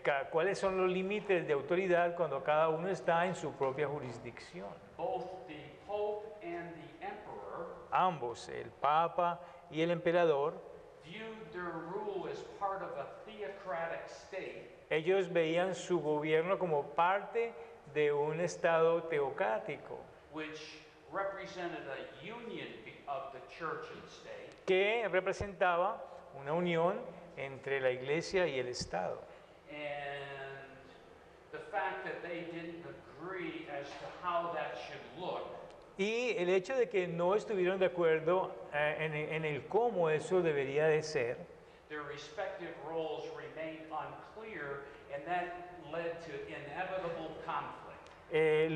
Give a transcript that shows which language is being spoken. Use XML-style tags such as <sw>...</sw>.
<es>¿Cuáles son los límites de autoridad cuando cada uno está en su propia jurisdicción?</es> <en>Both the Pope and the Emperor,</en> <es>ambos, el Papa y el Emperador,</es> <en>viewed their rule as part of a theocratic state.</en> <es>Ellos veían su gobierno como parte de un estado teocrático,</es> <en>which represented a union of the church and state,</en> <es>que representaba una unión entre la iglesia y el Estado.</es> <en>And the fact that they didn't agree as to how that should look.</en> <es>Y el hecho de que no estuvieron de acuerdo en el cómo eso debería de ser.</es> <en>Their respective roles remained unclear, and that led to inevitable conflict.</en>